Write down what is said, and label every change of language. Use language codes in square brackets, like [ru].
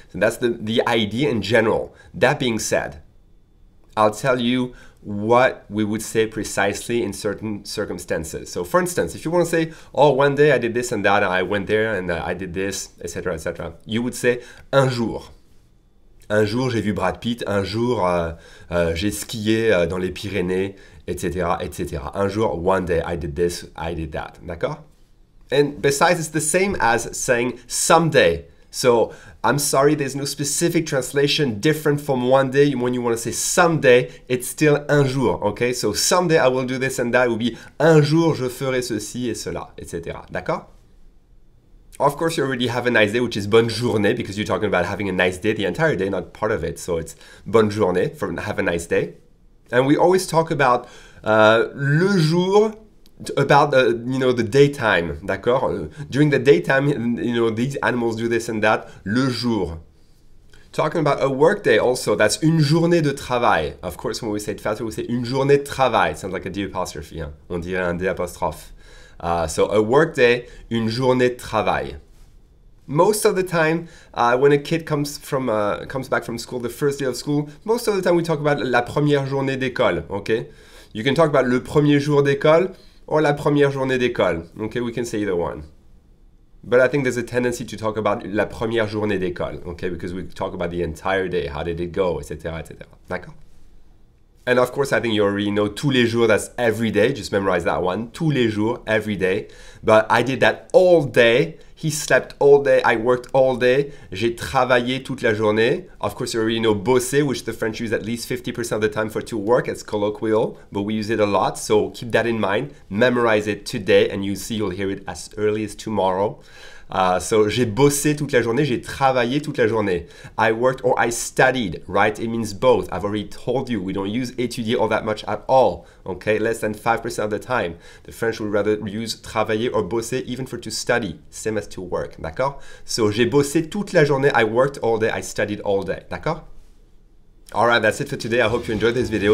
[en] So that's the idea in general. That being said, I'll tell you what we would say precisely in certain circumstances. So for instance, if you want to say, oh, one day I did this and that, I went there and I did this, etc., etc., you would say [fr] un jour. Un jour j'ai vu Brad Pitt, un jour j'ai skié dans les Pyrénées, etc., etc. Un jour, [en] one day, I did this, I did that, [fr] d'accord? [en] And besides, it's the same as saying someday. So I'm sorry, there's no specific translation different from one day. When you want to say someday, it's still [fr] un jour, [en] okay? So someday I will do this and that. It will be [fr] un jour je ferai ceci et cela, [en] etc. [fr] D'accord? [en] Of course, you already have a nice day, which is [fr] bonne journée, [en] because you're talking about having a nice day the entire day, not part of it. So it's [fr] bonne journée, [en] from have a nice day. And we always talk about [fr] le jour, [en] about the daytime, [fr] d'accord? [en] During the daytime, these animals do this and that, [fr] le jour. [en] Talking about a work day also, that's [fr] une journée de travail. [en] Of course, when we say it faster, we say [fr] une journée de travail. [en] Sounds like a D apostrophe, [fr] hein? On dirait un D apostrophe. [en] So a work day, [fr] une journée de travail. [en] Most of the time, when a kid comes back from school, the first day of school, most of the time we talk about [fr] la première journée d'école, [en] okay? You can talk about [fr] le premier jour d'école, [en] or [fr] la première journée d'école. [en] Okay, we can say either one. But I think there's a tendency to talk about [fr] la première journée d'école, [en] okay, because we talk about the entire day, how did it go, etc., etc. [fr] D'accord? [en] And of course, I think you already know [fr] tous les jours, [en] that's every day, just memorize that one, tous les jours, every day. But I did that all day, he slept all day, I worked all day, [fr] j'ai travaillé toute la journée. [en] Of course, you already know bosser, which the French use at least 50% of the time for to work, it's colloquial, but we use it a lot, so keep that in mind, memorize it today, and you'll see, you'll hear it as early as tomorrow. [fr] So j'ai bossé toute la journée, j'ai travaillé toute la journée. [en] I worked or I studied, right? It means both. I've already told you, we don't use étudier all that much at all, okay? Less than 5% of the time. The French would rather use travailler or bosser even for to study, same as to work, [fr] d'accord? [en] So [fr] j'ai bossé toute la journée, [en] I worked all day, I studied all day, [fr] d'accord? [en] All right, that's it for today. I hope you enjoyed this video.